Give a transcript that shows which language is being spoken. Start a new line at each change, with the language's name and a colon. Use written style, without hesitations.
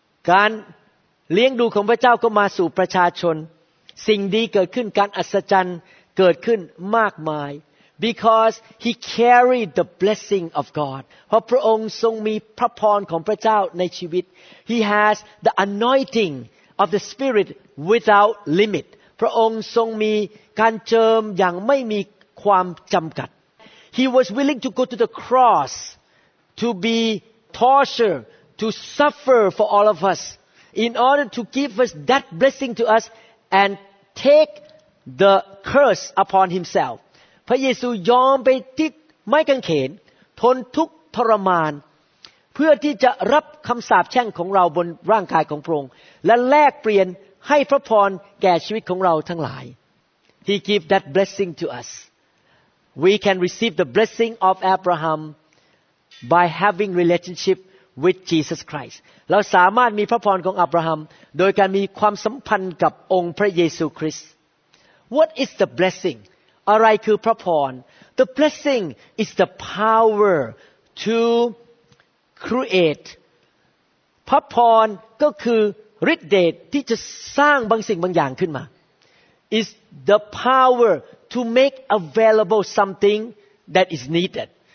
Thai: การเลี้ยงดูของพระเจ้าก็มาสู่ประชาชนสิ่งดีเกิดขึ้นการอัศจรรย์เกิดขึ้นมากมาย
English: because he carried the blessing of God
Thai: เพราะพระองค์ทรงมีพระพรของพระเจ้าในชีวิต
English: he has the anointing of the spirit without limit
Thai: พระองค์ทรงมีการเจิมอย่างไม่มีความจำกัด
English: He was willing to go to the cross to be tortured, to suffer for all of us in order to give us that blessing to us and take the curse upon himself.
Thai: พระเยซูยอมไปที่ไม้กางเขนทนทุกข์ทรมานเพื่อที่จะรับคำสาปแช่งของเราบนร่างกายของพระองค์และแลกเปลี่ยนให้พระพรแก่ชีวิตของเราทั้งหลาย
English: He gave that blessing to us. We can receive the blessing of Abraham by having relationship with Jesus Christ.
Thai: เราสามารถมีพระพรของอับราฮัมโดยการมีความสัมพันธ์กับองค์พระเยซูคริสต์
English: What is the blessing?
Thai: อะไรคือพระพร
English: The blessing is the power to create.
Thai: พระพรก็คือฤทธิ์เดชที่จะสร้างบางสิ่งบางอย่างขึ้นมา
English: Is the power to make available something that is needed.